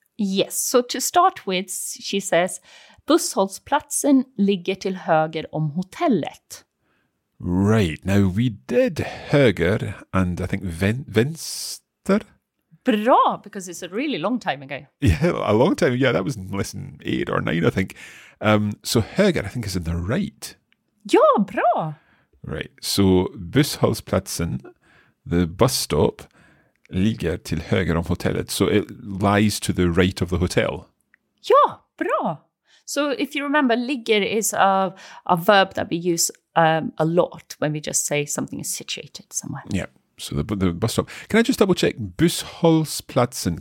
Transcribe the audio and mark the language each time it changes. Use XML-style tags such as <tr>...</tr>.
<en>Yes. So to start with, she says,</en> <sv>busshållsplatsen ligger till höger om hotellet.</sv> <en>Right. Now, we did höger and I think vänster. Bra, because it's a really long time ago. Yeah, a long time. Yeah, that was lesson 8 or 9, I think. So höger, I think, is in the right.</en> <sv>Ja, bra.</sv> <en>Right. So busshållsplatsen, the bus stop,</en> <sv>ligger till höger om hotellet.</sv> <en>So it lies to the right of the hotel.</en> <sv>Ja, bra.</sv> <en>So if you remember, ligger is a verb that we use a lot when we just say something is situated somewhere. Yeah. So the bus stop. Can I just double check? Busshållsplatsen.</en>